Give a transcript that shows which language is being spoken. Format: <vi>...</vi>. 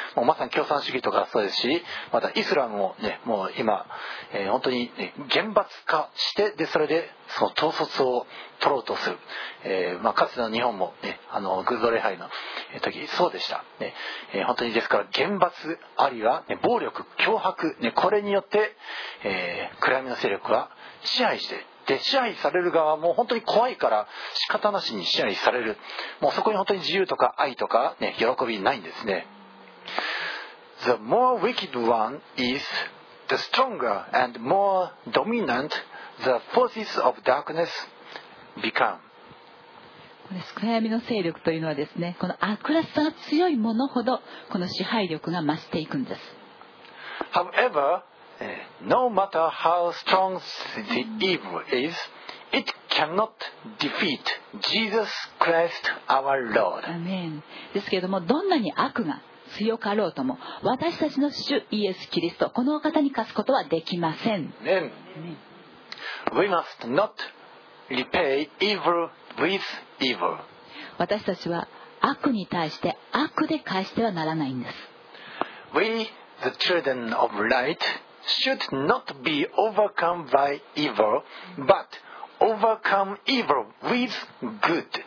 <ja>もうまさに共産主義とかそうですし、またイスラムもね、もう今、本当に、ね、厳罰化して、でそれでその統率を取ろうとする、まあ、かつての日本も、ね、あの偶像礼拝の時そうでした、ね、本当にですから、厳罰あるいは、ね、暴力脅迫、ね、これによって、暗闇の勢力は支配して、で支配される側も本当に怖いから仕方なしに支配される。もうそこに本当に自由とか愛とか、ね、喜びないんですね。</ja> <en>the more wicked one is, the stronger and more dominant the forces of darkness become.</en> <ja>この暗闇の勢力というのはですね、この悪らしさが強いものほどこの支配力が増していくんです。</ja> <en>However, no matter how strong the evil is, it cannot defeat Jesus Christ our Lord. Amen.</en> <ja>ですけれども、どんなに悪が強かろうとも、私たちの主イエス・キリスト、この方に勝つことはできません。</ja> <en>Amen. We must not repay evil with evil.</en> <ja>私たちは悪に対して悪で返してはならないんです。</ja> <en>We, the children of light, should not be overcome by evil, but overcome evil with good.</en>